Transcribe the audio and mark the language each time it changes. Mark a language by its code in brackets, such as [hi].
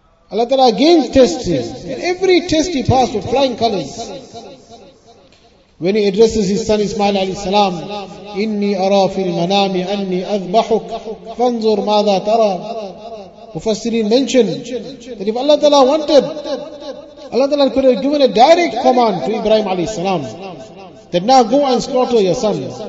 [en] Allah ta'ala again tested. And every test he passed with flying colors. When he addresses his son Ismail alayhi salam, [ar] إِنِّي أَرَى فِي الْمَنَامِ أَنِّي أَذْبَحُكَ فَانْظُرْ مَاذَا تَرَى. [en] Mufassirin mentioned that if Allah Ta'ala wanted, Allah Ta'ala could have given a direct command to Ibrahim alayhi salam that now go and slaughter your son.